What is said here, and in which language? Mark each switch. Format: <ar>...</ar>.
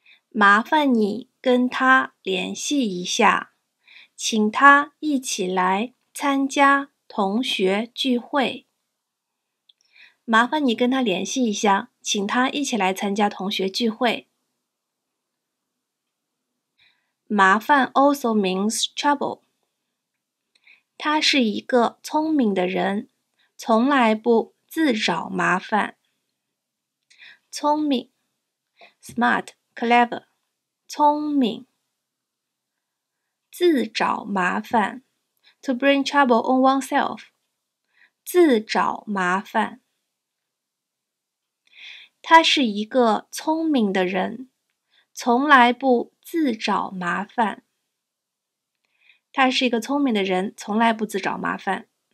<zh>麻烦你跟他联系一下。请他一起来参加同学聚会。麻烦你跟他联系一下，请他一起来参加同学聚会。</zh> <en>麻烦 also means trouble。</en> <zh>他是一个聪明的人，从来不自找麻烦。聪明</zh> <en>smart, clever,</en> <zh>聪明。自找麻烦</zh> <en>to bring trouble on oneself, 自找麻烦。</en> <zh>他是一个聪明的人，从来不自找麻烦。他是一个聪明的人，从来不自找麻烦。</zh>